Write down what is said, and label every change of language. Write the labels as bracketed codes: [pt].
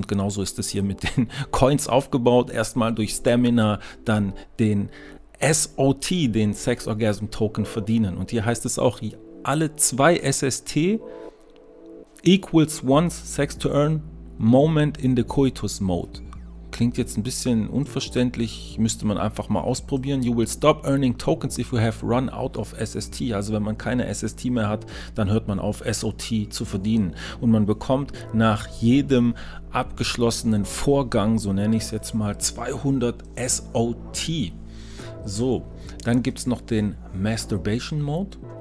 [de] Und genauso ist es hier mit den Coins aufgebaut. Erstmal durch Stamina, dann den SOT, den Sex Orgasm Token, verdienen. Und hier heißt es auch, alle [en] 2 SST equals 1 Sex to Earn Moment in the Coitus Mode. [de] Klingt jetzt ein bisschen unverständlich, müsste man einfach mal ausprobieren. [en] You will stop earning tokens if you have run out of SST. [de] Also wenn man keine SST mehr hat, dann hört man auf, SOT zu verdienen. Und man bekommt nach jedem abgeschlossenen Vorgang, so nenne ich es jetzt mal, 200 SOT. So, dann gibt es noch den Masturbation Mode.